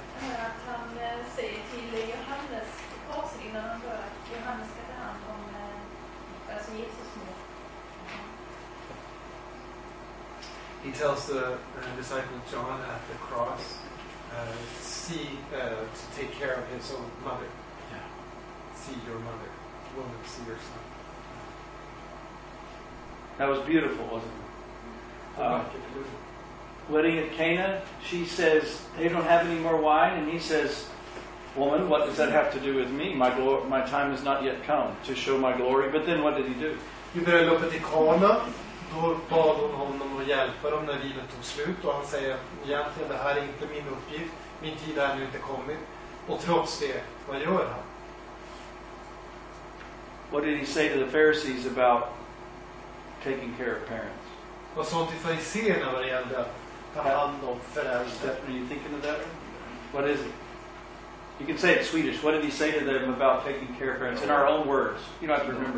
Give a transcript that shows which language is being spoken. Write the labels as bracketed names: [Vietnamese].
[Swedish] Att han säger till Johannes på sig innan han dör att Johannes ska ta hand om alltså Jesus mor. [English] He tells the disciple John at the cross to take care of his own mother. Yeah. See your mother. Woman, see your son. That was beautiful, wasn't it? Wedding at Cana, she says, they don't have any more wine, and he says, woman, what does that have to do with me? My time has not yet come to show my glory. But then what did he do? You better look at the corner. [Swedish] Då bad hon honom att hjälpa dem när vinet tog slut. Och han säger, egentligen det här är inte min uppgift. Min tid är nu inte kommit. Och trots det, vad gör han? [English] What did he say to the Pharisees about taking care of parents? [Swedish] Vad sa han till fariserna vad det gällde att ta hand om föräldrar? [English] Are you thinking of that? What is it? You can say it in Swedish. What did he say to them about taking care of parents? In our own words. You don't have to remember.